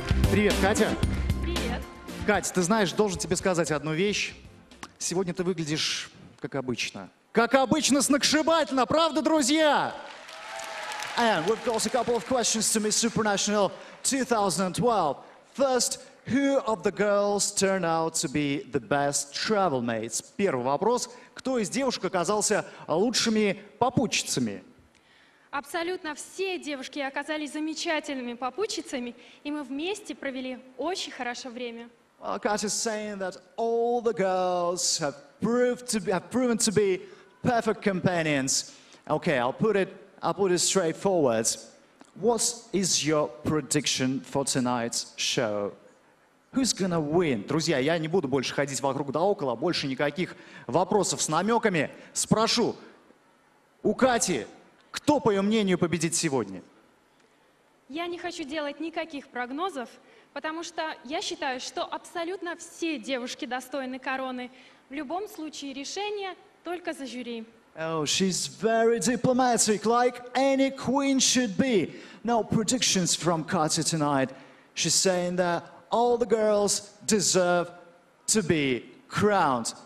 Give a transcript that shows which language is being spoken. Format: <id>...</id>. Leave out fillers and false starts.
<ru>Привет, Катя. Привет. Катя, ты знаешь, должен тебе сказать одну вещь. Сегодня ты выглядишь как обычно. Как обычно, сногсшибательно, правда, друзья?</ru> <en>And we've got a couple of questions to Miss Supranational 2012. First, who of the girls turned out to be the best travel mates?</en> <ru>Первый вопрос. Кто из девушек оказался лучшими попутчицами? Абсолютно все девушки оказались замечательными попутчицами, и мы вместе провели очень хорошее время.</ru> <en>Well, Katya is saying that all the girls have proven to be perfect companions. Okay, I'll put it straightforward. What is your prediction for tonight's show? Who's gonna win?</en> <ru>Друзья, я не буду больше ходить вокруг да около, больше никаких вопросов с намеками. Спрошу у Кати. Кто, по ее мнению, победит сегодня? Я не хочу делать никаких прогнозов, потому что я считаю, что абсолютно все девушки достойны короны. В любом случае, решение только за жюри.</ru> <en>Oh, she's very diplomatic, like any queen should be. No predictions from Katya tonight. She's saying that all the girls deserve to be crowned.</en>